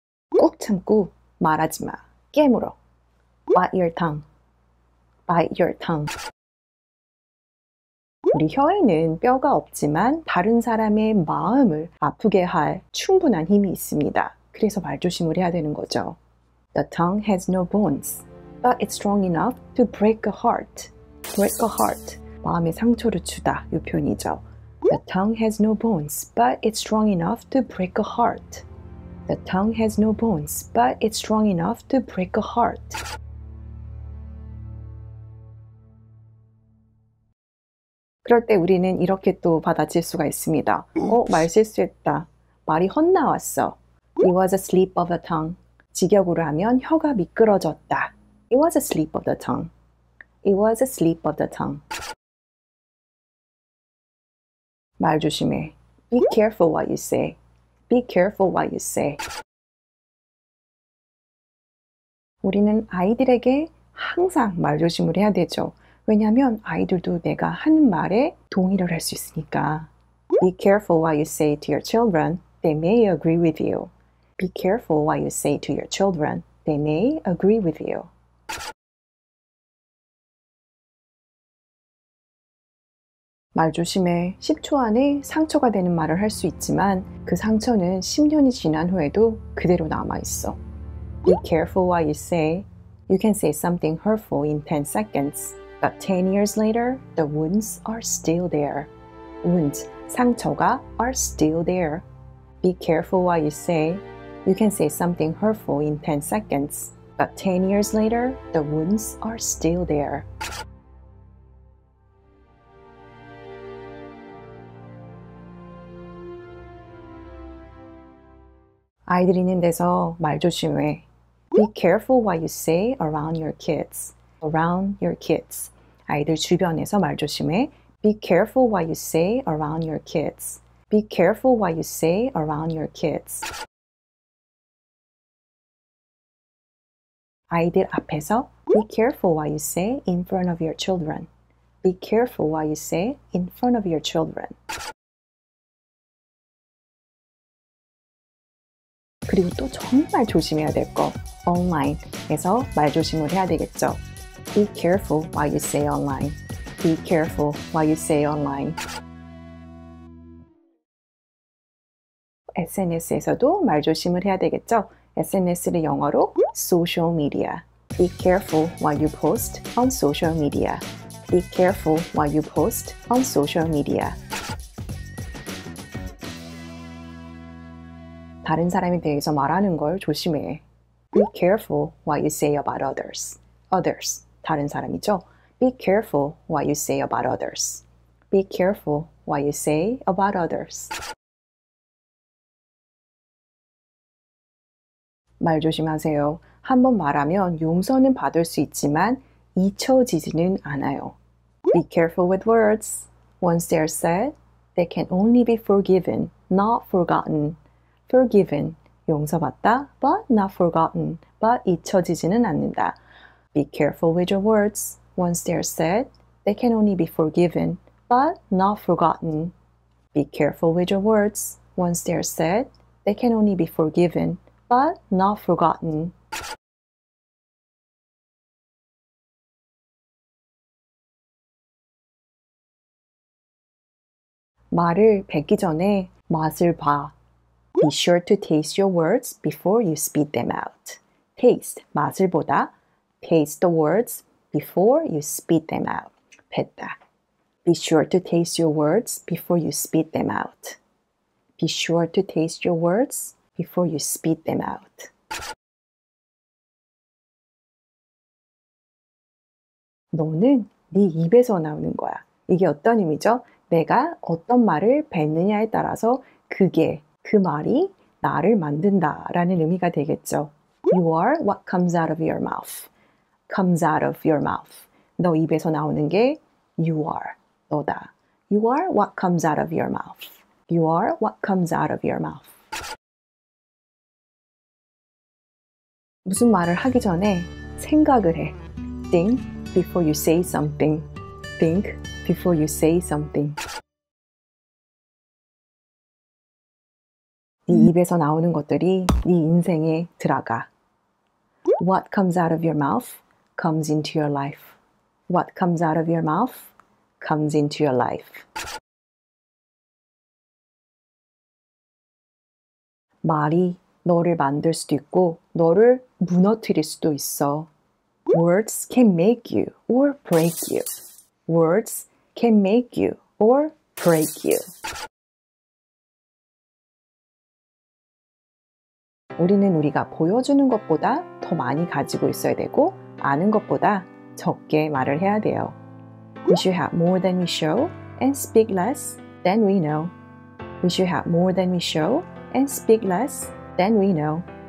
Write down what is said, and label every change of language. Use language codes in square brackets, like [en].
[ko] 꾹 참고 말하지 마, 깨물어. [en] Bite your tongue. Bite your tongue. [ko] 우리 혀에는 뼈가 없지만 다른 사람의 마음을 아프게 할 충분한 힘이 있습니다. 그래서 말조심을 해야 되는 거죠. [en] The tongue has no bones, but it's strong enough to break a heart. Break a heart. [ko] 마음에 상처를 주다. 이 표현이죠. [en] The tongue has no bones, but it's strong enough to break a heart. The tongue has no bones, but it's strong enough to break a heart. [ko] 그럴 때 우리는 이렇게 또 받아칠 수가 있습니다. 말 실수했다. 말이 헛나왔어. [en] It was a slip of the tongue. [ko] 직역으로 하면 혀가 미끄러졌다. [en] It was a slip of the tongue. It was a slip of the tongue. [ko] 말 조심해. [en] Be careful what you say. Be careful what you say. [ko] 우리는 아이들에게 항상 말 조심을 해야 되죠. 왜냐하면 아이들도 내가 하는 말에 동의를 할수 있으니까. [en] Be careful what you say to your children. They may agree with you. Be careful what you say to your children. They may agree with you. [ko] 말 조심해. 10초 안에 상처가 되는 말을 할수 있지만 그 상처는 10년이 지난 후에도 그대로 남아 있어. [en] Be careful what you say. You can say something hurtful in 10 seconds, but 10 years later, the wounds are still there. Wounds, [ko] 상처가 [en] are still there. Be careful what you say. You can say something hurtful in 10 seconds, but 10 years later, the wounds are still there. [ko] 아이들이 있는 데서 말 조심해. [en] Be careful what you say around your kids. Around your kids. [ko] 아이들 주변에서 말 조심해. [en] Be careful what you say around your kids. Be careful what you say around your kids. [ko] 아이들 앞에서 [en] be careful what you say in front of your children. Be careful what you say in front of your children. [ko] 그리고 또 정말 조심해야 될 거. Online에서 말조심을 해야 되겠죠. [en] Be careful what you say online. Be careful what you say online. [ko] SNS에서도 말조심을 해야 되겠죠. SNS를 영어로 social media. [en] Be careful while you post on social media. Be careful while you post on social media. [ko] 다른 사람에 대해서 말하는 걸 조심해. [en] Be careful what you say about others. Others, [ko] 다른 사람이죠. [en] Be careful what you say about others. Be careful what you say about others. [ko] 말 조심하세요. 한번 말하면 용서는 받을 수 있지만 잊혀지지는 않아요. [en] Be careful with words. Once they are said, they can only be forgiven, not forgotten. Forgiven, [ko] 용서받다, [en] but not forgotten, but [ko] 잊혀지지는 않는다. [en] Be careful with your words. Once they are said, they can only be forgiven, but not forgotten. Be careful with your words. Once they are said, they can only be forgiven, but not forgotten. [ko] 말을 뱉기 전에 맛을 봐. [en] Be sure to taste your words before you spit them out. Taste, [ko] 맛을 보다. [en] Taste the words before you spit them out. [ko] 뱉다. [en] Be sure to taste your words before you spit them out. Be sure to taste your words before you spit them out. [ko] 너는 네 입에서 나오는 거야. 이게 어떤 의미죠? 내가 어떤 말을 뱉느냐에 따라서 그게 그 말이 나를 만든다 라는 의미가 되겠죠. [en] You are what comes out of your mouth. Comes out of your mouth. [ko] 너 입에서 나오는 게 [en] you are. [ko] 너다. [en] You are what comes out of your mouth. You are what comes out of your mouth. [ko] 무슨 말을 하기 전에 생각을 해. [en] Think before you say something. Think before you say something. [ko] 네 입에서 나오는 것들이 네 인생에 들어가. [en] What comes out of your mouth comes into your life. What comes out of your mouth comes into your life. [ko] 말이 너를 만들 수도 있고 너를 무너뜨릴 수도 있어. [en] Words can make you or break you. Words can make you or break you. [ko] 우리는 우리가 보여주는 것보다 더 많이 가지고 있어야 되고 아는 것보다 적게 말을 해야 돼요. [en] We should have more than we show and speak less than we know. We should have more than we show and speak less than we know.